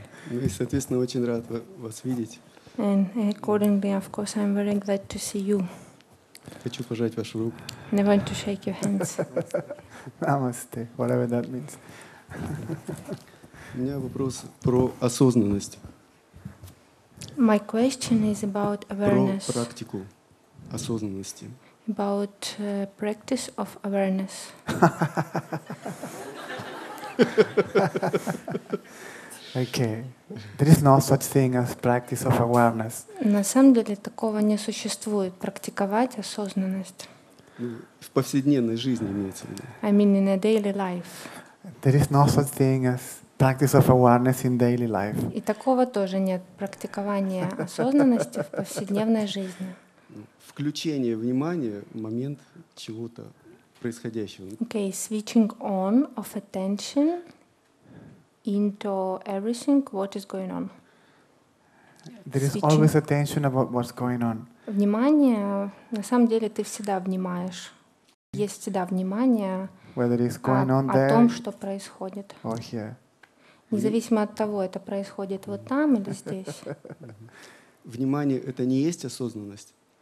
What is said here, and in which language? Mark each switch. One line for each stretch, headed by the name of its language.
Russian: Ну и, соответственно, очень рад вас видеть.
English: And accordingly, of course, I'm very glad to see you.
Russian: Хочу пожать вашу руку.
English: And I want to shake your hands. Namaste, whatever that means.
Russian: У меня вопрос про осознанность.
English: My question is about awareness.
Russian: Про практику осознанности.
English: About practice of awareness. Okay. There is no such thing as practice of awareness.
Russian: На самом деле такого не существует, практиковать осознанность. В повседневной жизни имеется в виду.
English: I mean in a daily life. There is no such thing as practice of awareness in daily life.
Russian: И такого тоже нет, практикование осознанности в повседневной жизни. Включение внимания в момент чего-то происходящего.
English: Okay, switching on of attention into everything what is going on. There is always attention about what's going on.
Russian: Внимание, на самом деле ты всегда внимаешь. Есть всегда внимание.
English: Whether it's going on there.
Russian: О том, что происходит.
English: Or here.
Russian: Независимо от того, это происходит вот там или здесь. Внимание это не есть осознанность.